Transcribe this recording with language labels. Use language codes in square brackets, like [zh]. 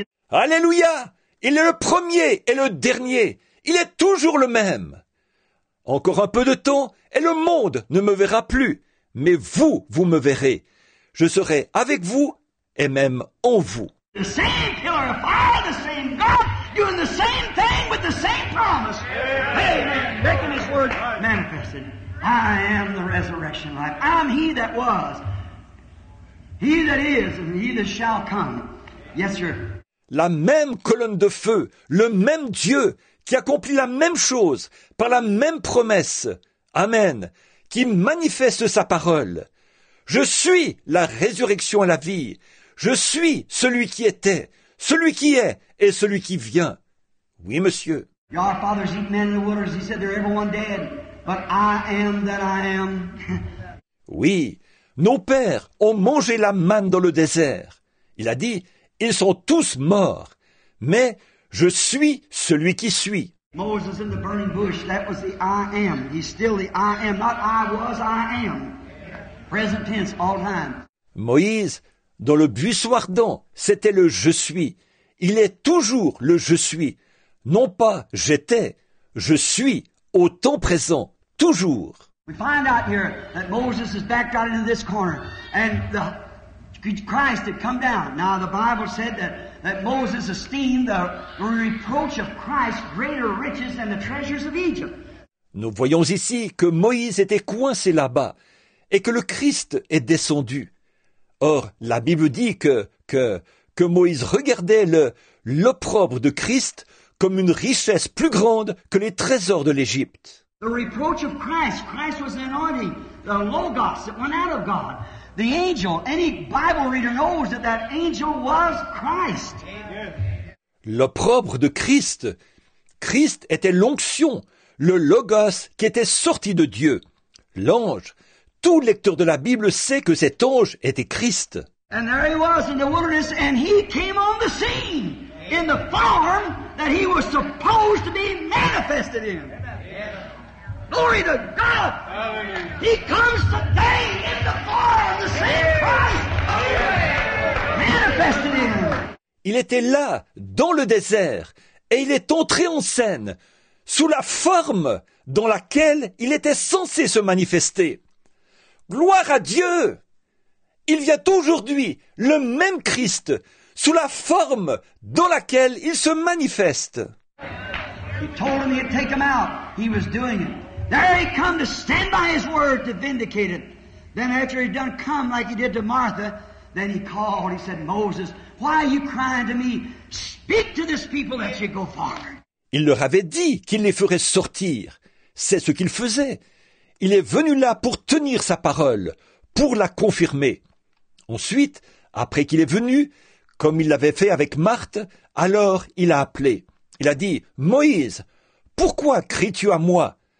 [fr] Alléluia! Il est le premier et le dernier. Il est toujours le même. Encore un peu de temps et le monde ne me verra plus. Mais vous, vous me verrez. Je serai avec vous et même en vous. [en] The same pillar of fire, the same God, doing the same thing with the same promise. Amen. Amen. Making his word manifested. I am the resurrection life. I'm he that was, he that is, and he that shall come. Yes, sir. [fr] La même colonne de feu, le même Dieu qui accomplit la même chose par la même promesse. Amen. Qui manifeste sa parole. Je suis la résurrection et la vie. Je suis celui qui était, celui qui est et celui qui vient. Oui, monsieur. [en] Your fathers eat men in the waters. He said they're everyone dead. But I am that I am. [fr] Oui, nos pères ont mangé la manne dans le désert. Il a dit, ils sont tous morts. Mais je suis celui qui suis. [en] Moses in the burning bush, that was the I am. He's still the I am, not I was, I am. Present tense, all time. [fr] Moïse, dans le buisson ardent, c'était le je suis. Il est toujours le je suis. Non pas j'étais, je suis, au temps présent, toujours. [en] We find out here that Moses is back out into this corner. And the Christ had come down. Now the Bible said that Moses esteemed the reproach of Christ greater riches than the treasures of Egypt. [fr] Nous voyons ici que Moïse était coincé là-bas et que le Christ est descendu. Or, la Bible dit que Moïse regardait l'opprobre de Christ comme une richesse plus grande que les trésors de l'Égypte. [en] The reproach of Christ. Christ was an anointing, the logos that went out of God. The angel, any Bible reader knows that that angel was Christ. [fr] L'opprobre de Christ. Christ était l'onction, le logos qui était sorti de Dieu. L'ange. Tout lecteur de la Bible sait que cet ange était Christ. [en] And there he was in the wilderness and he came on the scene in the form that he was supposed to be manifested in. Glory to God! He comes today in the form of the same Christ manifested in. [fr] Il était là, dans le désert, et il est entré en scène, sous la forme dans laquelle il était censé se manifester. Gloire à Dieu! Il vient aujourd'hui, le même Christ, sous la forme dans laquelle il se manifeste. [en] He told him he'd take him out. He was doing it. There he come to stand by his word to vindicate it. Then after he'd done come like he did to Martha, then he called. He said, Moses, why are you crying to me? Speak to this people that you go forward. [fr] Il leur avait dit qu'il les ferait sortir. C'est ce qu'il faisait. Il est venu là pour tenir sa parole, pour la confirmer. Ensuite, après qu'il est venu, comme il l'avait fait avec Marthe, alors il a appelé. Il a dit, Moïse, pourquoi cries-tu à moi?